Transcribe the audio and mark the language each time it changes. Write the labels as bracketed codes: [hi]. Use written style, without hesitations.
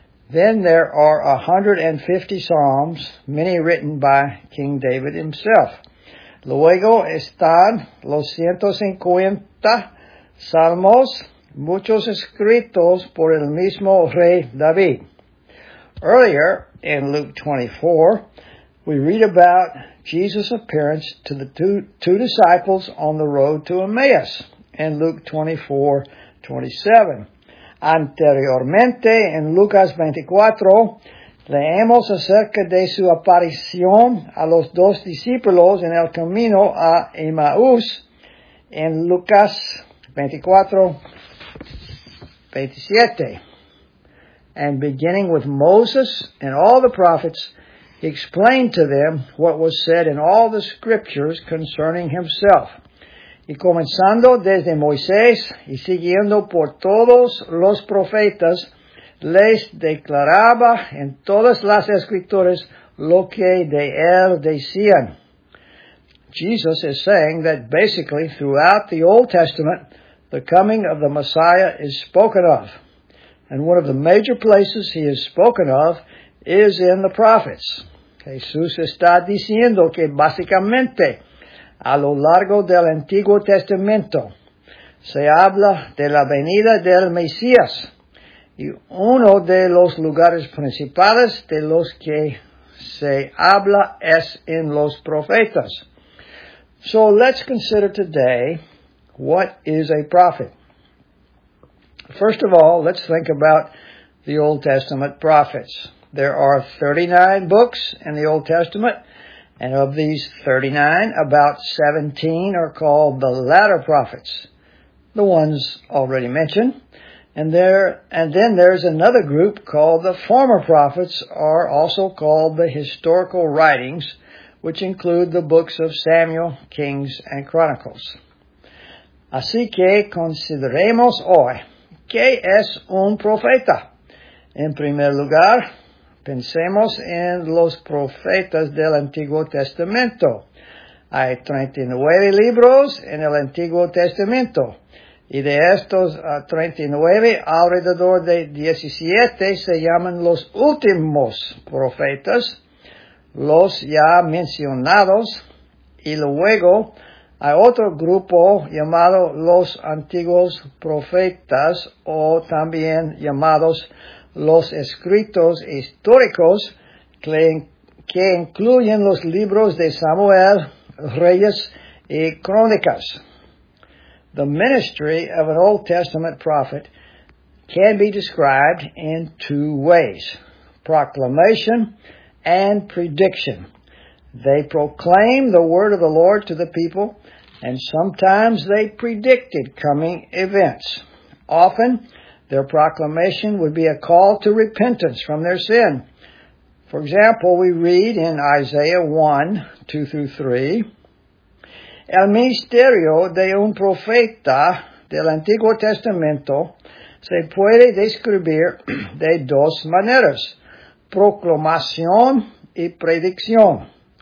[en] Then there are 150 psalms, many written by King David himself. [es] Luego están los 150 salmos, muchos escritos por el mismo rey David. [en] Earlier in Luke 24, we read about Jesus' appearance to the two disciples on the road to Emmaus in Luke 24, 27. [es] Anteriormente, en Lucas 24, leemos acerca de su aparición a los dos discípulos en el camino a Emmaús en Lucas 24, 27. [en] And beginning with Moses and all the prophets, he explained to them what was said in all the scriptures concerning himself. [es] Y comenzando desde Moisés y siguiendo por todos los profetas, les declaraba en todas las escrituras lo que de él decían. [en] Jesus is saying that basically throughout the Old Testament, the coming of the Messiah is spoken of. And one of the major places he is spoken of is in the prophets. [es] Jesús está diciendo que básicamente a lo largo del Antiguo Testamento se habla de la venida del Mesías, y uno de los lugares principales de los que se habla es en los profetas. [en] So let's consider today, what is a prophet? First of all, let's think about the Old Testament prophets. There are 39 books in the Old Testament, and of these 39, about 17 are called the latter prophets, the ones already mentioned. And then there's another group called the former prophets, are also called the historical writings, which include the books of Samuel, Kings, and Chronicles. [es] Así que consideremos hoy, ¿qué es un profeta? En primer lugar, pensemos en los profetas del Antiguo Testamento. Hay 39 libros en el Antiguo Testamento, y de estos 39, alrededor de 17 se llaman los últimos profetas, los ya mencionados, y luego hay otro grupo llamado los antiguos profetas, o también llamados los escritos históricos, que incluyen los libros de Samuel, Reyes y Crónicas. [en] The ministry of an Old Testament prophet can be described in two ways: proclamation and prediction. They proclaim the word of the Lord to the people, and sometimes they predicted coming events. Often, their proclamation would be a call to repentance from their sin. For example, we read in Isaiah 1, 2-3, [es] El ministerio de un profeta del Antiguo Testamento se puede describir de dos maneras: proclamación y predicción.